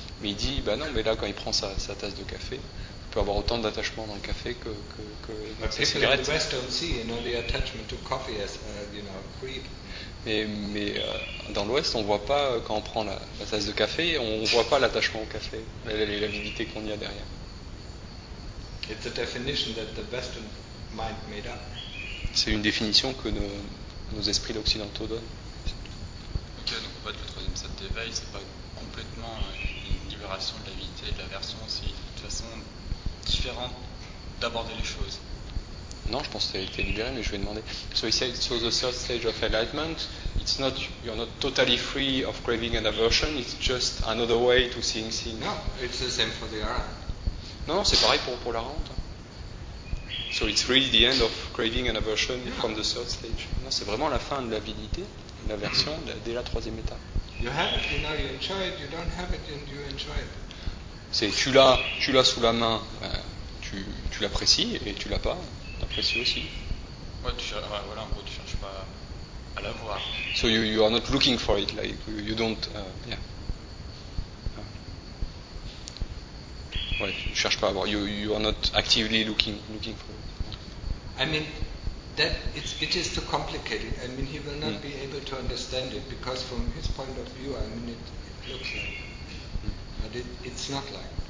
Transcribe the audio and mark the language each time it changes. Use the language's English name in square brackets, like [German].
[French] Mais il dit, bah non, mais là quand il prend sa tasse de café, il peut avoir autant d'attachement dans le café que dans sa cigarette. [English] People in the West don't see, you know, the attachment to coffee as, you know, greed. [French] Mais dans l'Ouest, on voit pas quand on prend la tasse de café, on voit pas l'attachement au café, l'avidité qu'on y a derrière. [English] It's a definition that the Western mind made up. [French] C'est une définition que nos esprits occidentaux donnent. Ok, donc en fait, le troisième sat d'éveil, c'est pas complètement une libération de l'avidité et de l'aversion, c'est de toute façon différent d'aborder les choses. Non, je pense que tu as été libéré, mais je vais demander. [English] So he said, so the third stage of enlightenment, it's not, you're not totally free of craving and aversion, it's just another way to seeing things. No, it's the same for the Arahant. [French] Non, c'est pareil pour l'Arahant. [English] So it's really the end of craving and aversion, yeah, from the third stage. [French] Non, c'est vraiment la fin de l'avidité, de l'aversion, dès la troisième étape. [English] You have it, you know, you enjoy it, you don't have it and you enjoy it. [French] C'est tu l'as sous la main, tu l'apprécies, et tu l'as pas, t'apprécies aussi. Ouais, voilà, en gros, tu cherches pas à l'avoir. [English] So you are not looking for it, like, you don't, yeah. [French] Ouais, je cherche pas à voir. [English] You are not actively looking for it. I mean, that it is too complicated. I mean, he will not be able to understand it because from his point of view, I mean, it looks like, but it's not like.